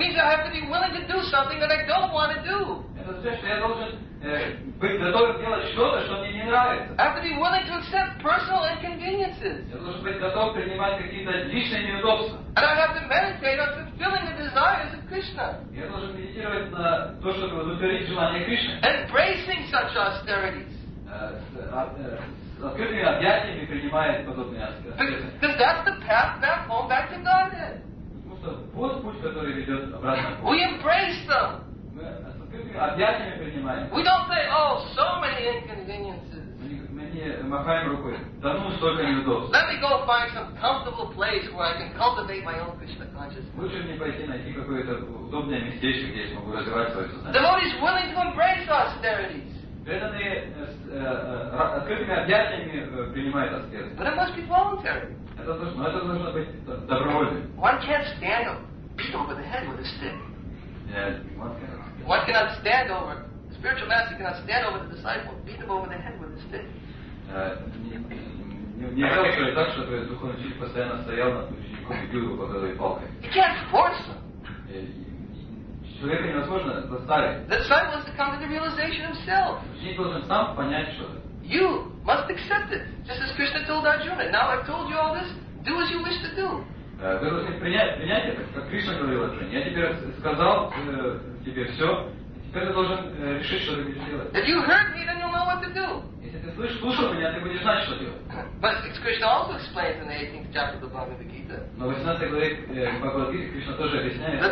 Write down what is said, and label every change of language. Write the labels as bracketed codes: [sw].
[en] Means I have to be willing to do something that I don't want to do. [ru] Это значит, что я должен быть готовым делать что-то, что мне не нравится. [en] I have to be willing to accept personal inconveniences. [ru] Я должен быть готов принимать какие-то личные неудобства. [en] And I have to meditate on fulfilling the desires of Krishna. [ru] Я должен медитировать на то, чтобы удовлетворить желание Кришны. [en] Embracing such austerities. [ru] С открытыми объятиями принимает подобные аскезы. [en] Because that's the path back home back to Godhead. [ru] Вот путь, который ведет обратно. [en] We embrace them. [ru] Мы объятиями принимаем. [en] We don't say, oh, so many inconveniences. [ru] Махаем рукой. Да ну, столько неудобств. [en] Let me go find some comfortable place where I can cultivate my own Krishna consciousness. [ru] Лучше мне пойти найти какое-то удобное местечко, где я могу развивать свое сознание. [en] Devotee is willing to embrace austerities. [ru] Преданные открытыми объятиями принимают аскезу. [en] But it must be voluntary. [ru] Это должно быть добровольным. [en] One can't stand beat over the head with a stick. Yeah, one cannot stand over. The spiritual master cannot stand over the disciple, beat him over the head with a stick. [ru] Нельзя так, чтобы духовный учитель постоянно стоял над учеником и бил его по голове палкой. [en] You can't force him. [ru] Человека невозможно заставить. [en] The disciple has to come to the realization himself. [ru] Ученик должен сам понять что-то. [en] You must accept it, just as Krishna told Arjuna. Now I've told you all this, do as you wish to do. [ru] Вы должны принять это, как Кришна говорил Арджуне. Я теперь сказал тебе все, теперь ты должен решить, что ты будешь делать. [en] If you heard me, then you'll know what to do. [ru] Если ты слушал меня, ты будешь знать, что делать. [en] But Krishna also explains in the 18th chapter of the Bhagavad Gita. [ru] Но в 18 главе Бхагавад Гиты Кришна тоже объясняет.